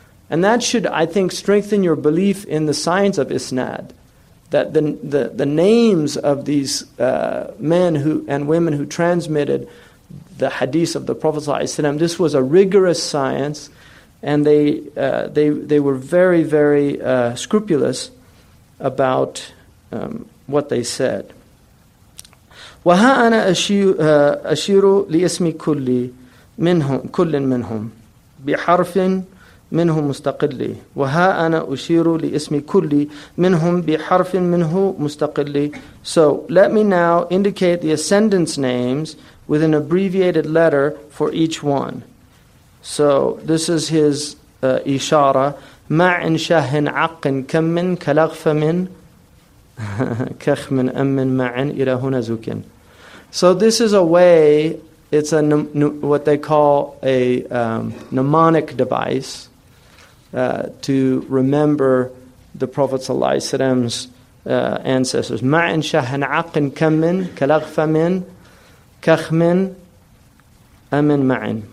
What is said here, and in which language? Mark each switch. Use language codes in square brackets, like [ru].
[en] And that should, I think, strengthen your belief in the science of isnad, that the names of these men who and women who transmitted the hadith of the Prophet ﷺ, this was a rigorous science, and they were very, very scrupulous about what they said. [ar] وَهَا أَنَا أَشِيرُ لِإِسْمِ كُلِّ. منهم كل منهم بحرف منه مستقل، وها أنا أشير لإسم كل منهم بحرف منه مستقل. [en] So let me now indicate the ascendant's names with an abbreviated letter for each one. So this is his إشارة. [ar] ما إن شاه عق كم من كلغف من كخ من أم من ما إن إلى هنا زوكن. [en] So this is a way, it's a what they call a mnemonic device to remember the Prophet sallallahu alaihi wasallam's ancestors. [ar] Ma in shahan aqin kam min kalaghfa min kakh min amin ma'in.